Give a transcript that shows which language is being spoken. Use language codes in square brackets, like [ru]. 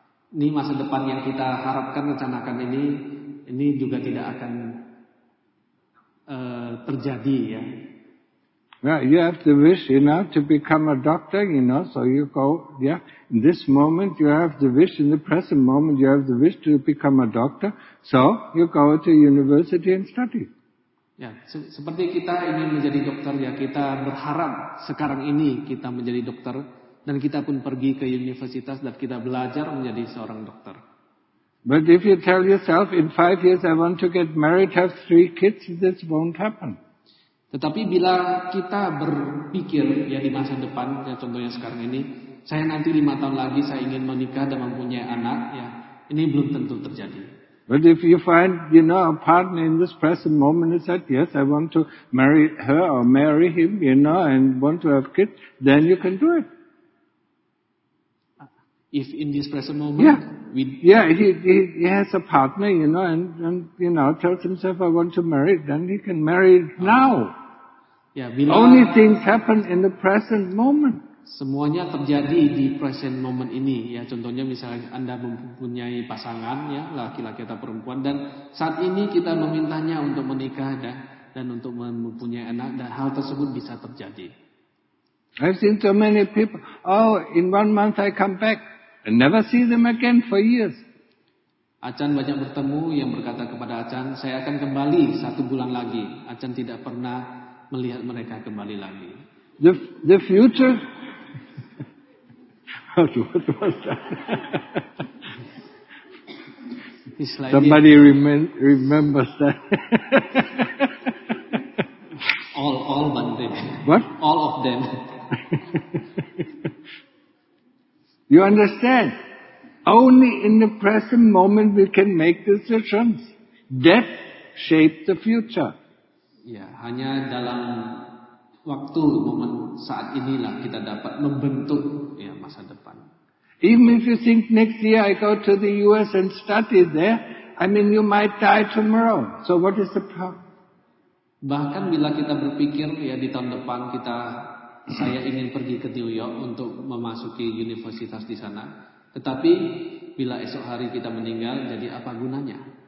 [id] Ini masa depan yang kita harapkan, rencanakan ini juga tidak akan terjadi, ya. [en] Well, you have the wish, you know, to become a doctor, you know, so you go, yeah. In this moment, you have the wish, in the present moment, you have the wish to become a doctor, so you go to university and study. [id] Ya, seperti kita ingin menjadi dokter, ya, kita berharap sekarang ini kita menjadi dokter, dan kita pun pergi ke universitas dan kita belajar menjadi seorang dokter. [en] But if you tell yourself in 5 years I want to get married, have 3 kids, this won't happen. [id] Tetapi bila kita berpikir ya di masa depan, ya contohnya sekarang ini, saya nanti 5 tahun lagi saya ingin menikah dan mempunyai anak, ya ini belum tentu terjadi. [en] But if you find, you know, a partner in this present moment and said, yes, I want to marry her or marry him, you know, and want to have kids, then you can do it. If in this present moment, he has a partner, you know, and you know, tells himself, I want to marry, then he can marry now. Yeah, only things happen in the present moment. [id] Semuanya terjadi di present moment ini, ya. Contohnya, misalnya Anda mempunyai pasangan, ya, laki-laki atau perempuan, dan saat ini kita memintanya untuk menikah, ya, dan untuk mempunyai anak, dan hal tersebut bisa terjadi. [en] I've seen so many people. Oh, in 1 month I come back. And never see them again for years. [id] Achan banyak bertemu yang berkata kepada Achan, saya akan kembali 1 bulan lagi. Achan tidak pernah melihat mereka kembali lagi. [en] The future. What was that? It's like somebody remembers that. All one day. What? All of them. You understand? Only in the present moment we can make decisions. Death shapes the future. [id] Yeah, hanya dalam waktu, momen saat inilah kita dapat membentuk ya, masa depan. [en] Even if you think next year I go to the US and study there, I mean you might die tomorrow. So what is the problem? [id] Bahkan bila kita berpikir ya di tahun depan kita saya ingin pergi ke New York untuk memasuki universitas di sana, tetapi bila esok hari kita meninggal, jadi apa gunanya?